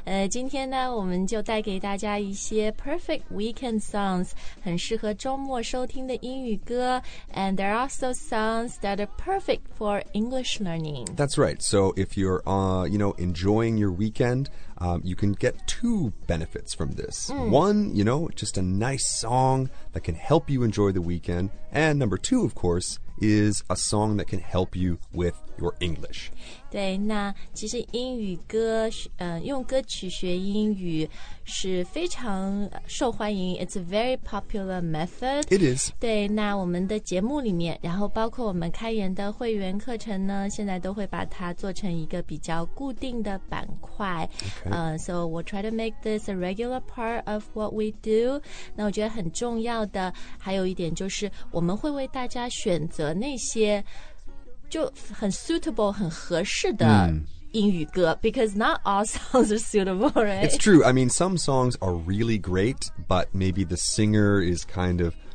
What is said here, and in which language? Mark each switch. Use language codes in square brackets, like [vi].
[zh] 今天呢我们就带给大家一些 [en] perfect weekend songs, [zh] 很适合周末收听的英语歌。 [en] And there are also songs that are perfect for English learning. That's right. So if you're, you know, enjoying your weekend,you can get two benefits from this. One, you know, just a nice song that can help you enjoy the weekend. And number two, of course, is a song that can help you with your English. [zh] 对，那其实英语歌，用歌曲学英语是非常受欢迎。 [en] It's a very popular method. It is. [zh] 对，那我们的节目里面，然后包括我们开源的会员课程呢，现在都会把它做成一个比较固定的板块。 [en] So we'll try to make this a regular part of what we do. [zh] 那我觉得很重要的还有一点就是，我们会为大家选择那些就很 suitable, 很合适的英语歌、 [en] because not all songs are suitable, right? It's true. I mean, some songs are really great, but maybe the singer is kind of...